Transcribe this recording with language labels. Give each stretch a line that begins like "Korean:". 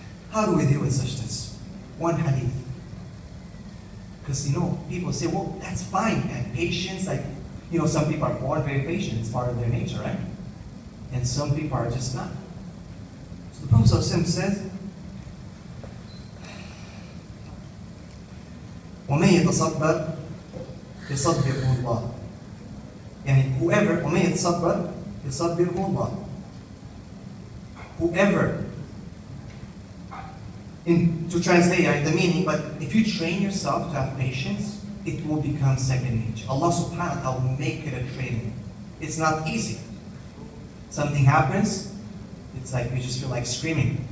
English: How do we deal with such things? One hadith. Because, you know, people say, well, that's fine, and patience, like, you know, some people are born very patient, it's part of their nature, right? And some people are just not. So the Prophet says,
Arabic: وَمَنْ يَتَصَبَّرْ يَصَبِّرْهُ اللَّهُ. يعني,
English: whoever,
Arabic: وَمَنْ يَتَصَبَّرْ يَصَبِّرْهُ اللَّهُ.
English: Whoever, to translate the meaning, but if you train yourself to have patience, it will become second nature. Allah subhanahu wa ta'ala will make it a training. It's not easy. Something happens, it's like you just feel like screaming.